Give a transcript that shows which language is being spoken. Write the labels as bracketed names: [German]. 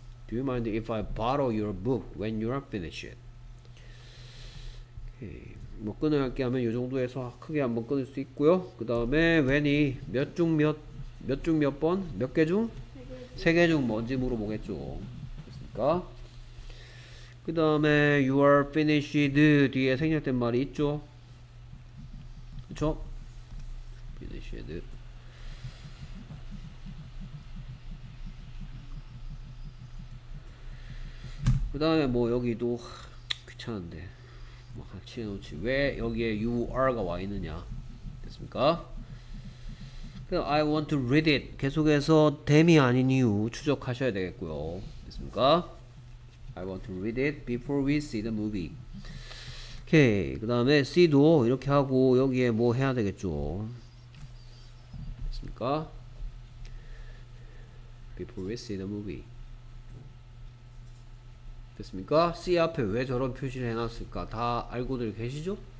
[English] Do you mind if I borrow your book when you're finished? [Korean] 오케이. 뭐 끊어야게 하면 이 정도에서 크게 한번 끊을 수 있고요. 그 다음에 when이 몇 중 몇 몇 중 몇 번? 몇 개 중? 세 개 중 뭔지 물어보겠죠. 됐습니까? 그 다음에 [English] you are finished [Korean] 뒤에 생략된 말이 있죠. 그쵸? finished. 그 다음에 뭐 여기도 귀찮은데 뭐 칠해놓지. 왜 여기에 [English] you are [Korean] 가 와 있느냐. 됐습니까? [English] I want to read it. [Korean] 계속해서 됨이 아닌 이유 추적하셔야 되겠고요. 됐습니까? [English] I want to read it before we see the movie. [Korean] 오케이. 그 다음에 see도 이렇게 하고 여기에 뭐 해야 되겠죠. 됐습니까? [English] Before we see the movie. [Korean] 됐습니까? see 앞에 왜 저런 표시를 해놨을까? 다 알고들 계시죠?